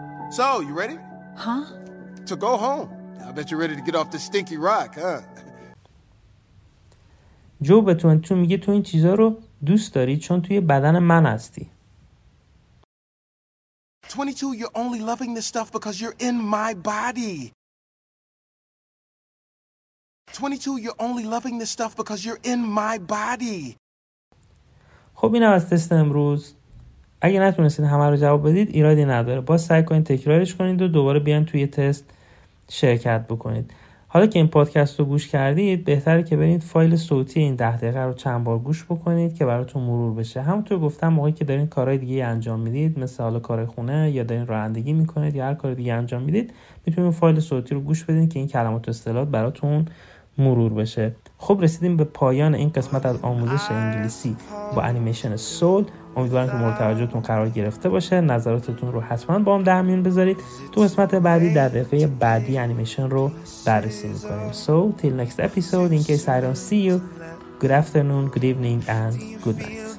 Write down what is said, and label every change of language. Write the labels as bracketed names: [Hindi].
[English] So, you ready? Huh? To go home. I bet you're ready to get off the stinky rock, huh? [Persian] جو به تونتو میگه تو این چیزا رو دوست داری چون توی بدن من هستی. [English] 22, you're only loving this stuff because you're in my body. 22, you're only loving this stuff because you're in my body. [Persian] خب اینم از تست امروز. اگه نتونستید همه رو جواب بدید ایرادی نداره. باز سعی کنید تکرارش کنید و دوباره بیان توی تست شرکت بکنید. حالا که این پادکست رو گوش کردید بهتره که برید فایل صوتی این 10 دقیقه رو چند بار گوش بکنید که براتون مرور بشه. همونطور گفتم موقعی که دارین کارهای دیگه انجام میدید، مثلا کار خونه یا دارین رانندگی میکنید یا هر کار دیگه انجام میدید، میتونید فایل صوتی رو گوش بدین که این کلمات و اصطلاحات براتون مرور بشه. خب رسیدیم به پایان این قسمت از آموزش انگلیسی با انیمیشن سول. امیدوارم که مورد توجهتون قرار گرفته باشه. نظراتتون رو حتما با هم در میون بذارید. تو قسمت بعدی در دقیقه بعدی انیمیشن رو بررسی میکنیم. [English] So till next episode, in case I don't see you, good afternoon, good evening and good night.